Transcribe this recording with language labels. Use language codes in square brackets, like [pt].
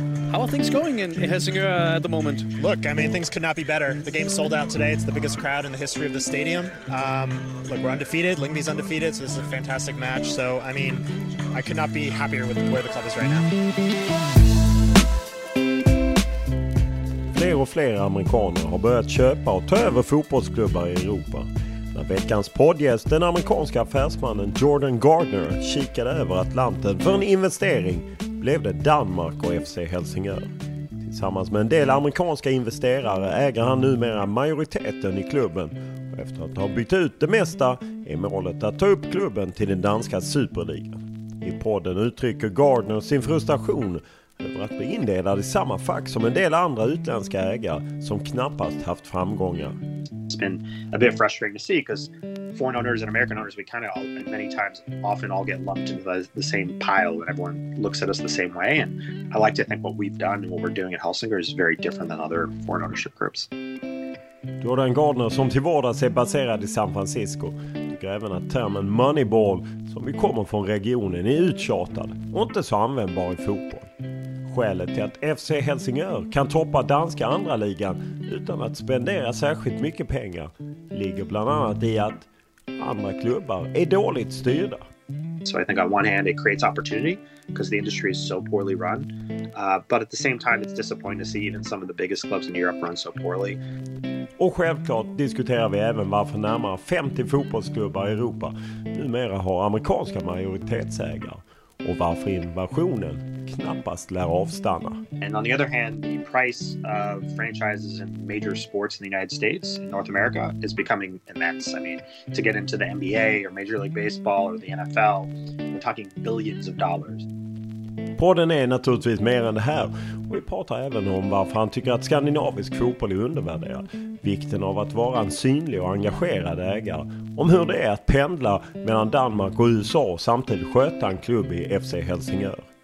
[en] How are things going in Helsingør at the moment? Look, I mean, things could not be better. The game sold out today. It's the biggest crowd in the history of the stadium. Look, we're undefeated. Lyngby's undefeated, so this is a fantastic match. So, I mean, I could not be happier with where the club is right now. [sv] Fler och fler amerikaner har börjat köpa och ta över fotbollsklubbar i Europa. När veckans poddgäst, den amerikanska affärsmannen Jordan Gardner, kikade över Atlanten för en investering blev det Danmark och FC Helsingør. Tillsammans med en del amerikanska investerare äger han numera majoriteten i klubben. Och efter att ha bytt ut det mesta är målet att ta upp klubben till den danska superligan. I podden uttrycker Gardner sin frustration över att bli indelad i samma fack som en del andra utländska ägare som knappast haft framgångar. [en] It's been a bit frustrating to see because foreign owners and American owners, we kind of all, many times, often all get lumped into the same pile and everyone looks at us the same way. And I like to think what we've done and what we're doing at Helsingør is very different than other foreign ownership groups. [sv] Jordan Gardner, som till vardags är baserad i San Francisco, tycker även att termen moneyball, som vi kommer från regionen, är uttjatad och inte så användbar i fotboll. Skälet till att FC Helsingør kan toppa danska andra ligan utan att spendera särskilt mycket pengar ligger bland annat i att andra klubbar är dåligt styrda. [en] So I think on one hand it creates opportunity because the industry is so poorly run. But at the same time it's disappointing to see even some of the biggest clubs in Europe run so poorly. [sv] Och självklart diskuterar vi även varför närmare 50 fotbollsklubbar i Europa numera har amerikanska majoritetsägare. Och varför invasionen knappast lär avstanna. [en] And on the other hand, the price of franchises in major sports in the United States, in North America, is becoming immense. I mean, to get into the NBA or Major League Baseball or the NFL, we're talking billions of dollars. [sv] Podden är naturligtvis mer än det här. Och vi pratar även om varför han tycker att skandinavisk fotboll är undervärderad. Vikten av att vara en synlig och engagerad ägare. Om hur det är att pendla mellan Danmark och USA och samtidigt sköta en klubb i FC Helsingør.